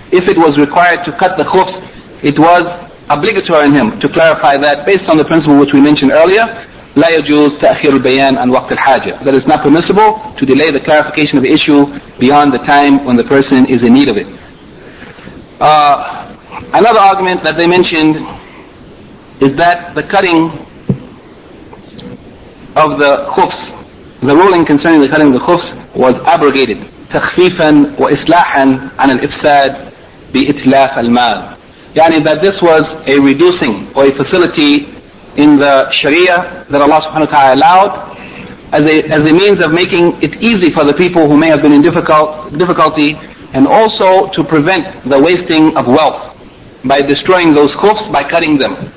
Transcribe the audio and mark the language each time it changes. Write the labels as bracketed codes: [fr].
[en] If it was required to cut the khufs, it was obligatory on him to clarify that based on the principle which we mentioned earlier, [ar] لا يجوز تأخير البيان عن وقت الحاجة, [en] that it's not permissible to delay the clarification of the issue beyond the time when the person is in need of it. Another argument that they mentioned is that the cutting of the khufs, the ruling concerning the cutting of the khufs, was abrogated. [ar] تخفيفاً وإصلاحاً عن الإفساد بإتلاف المال. [en] يعني that this was a reducing or a facility in the Sharia that Allah subhanahu wa ta'ala allowed as a means of making it easy for the people who may have been in difficulty, and also to prevent the wasting of wealth by destroying those khufs by cutting them.